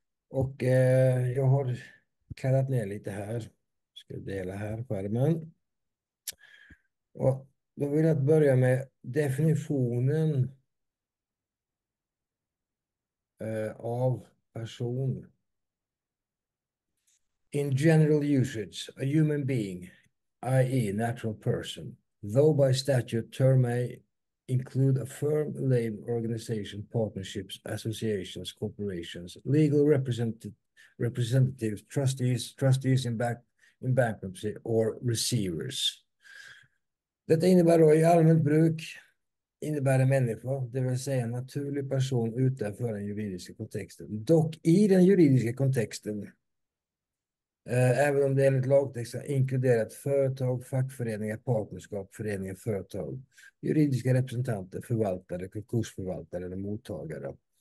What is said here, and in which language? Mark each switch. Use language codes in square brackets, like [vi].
[sv] Och jag har kallat ner lite här. Ska dela här skärmen. Och då vill jag börja med definitionen av person. [en] In general usage, a human being. I.e. natural person, though by statute term may include a firm, labor organization, partnerships, associations, corporations, legal representatives, trustees in bankruptcy or receivers. [sv] Detta innebär då i allmänt bruk, innebär en människa, det vill säga en naturlig person utanför den juridiska kontexten. Dock i den juridiska kontexten. Även om det enligt lagtext har inkluderat företag, fackföreningar, partnerskap, föreningar, företag, juridiska representanter, förvaltare, konkursförvaltare eller mottagare.